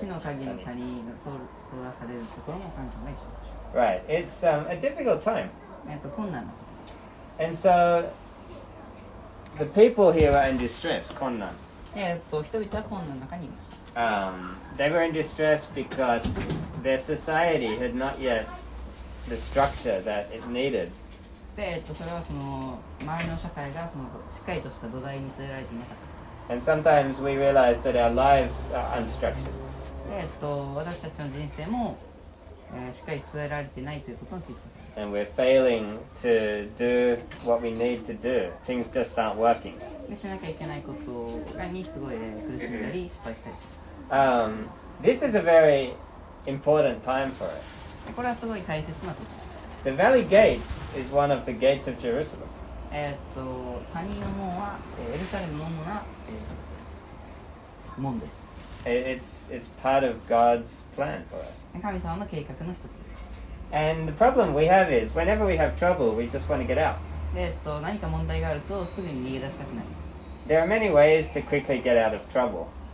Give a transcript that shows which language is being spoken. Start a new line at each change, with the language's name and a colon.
Japanese: 死の影の谷の通らされるところも神様が一緒。
English: Right, it's a difficult time.
Japanese: 困難。
English: And so, the people here are in distress, 困難。
Japanese: 人々は困難の中にいます。
English: They were in distress because their society had not yet the structure that it needed.
Japanese: で、それはその周りの社会がそのしっかりとした土台に据えられていなかった。
English: And sometimes we realize that our lives are unstructured.
Japanese: で、私たちの人生もしっかり据えられてないということを気づく。
English: And we're failing to do what we need to do. Things just aren't working.
Japanese: しなきゃいけないことにすごい苦しんだり失敗したりします。
English: This is a very important time for us.
Japanese: これはすごい大切なこと。
English: The Valley Gate is one of the gates of Jerusalem.
Japanese: 谷の門はエルサレムの門な、門です。
English: It's part of God's plan for us.
Japanese: 神様の計画の一つです。
English: And the problem we have is, whenever we have trouble, we just want to get out.
Japanese: 何か問題があるとすぐに逃げ出したくなります。
English: There are many ways to quickly get out of trouble.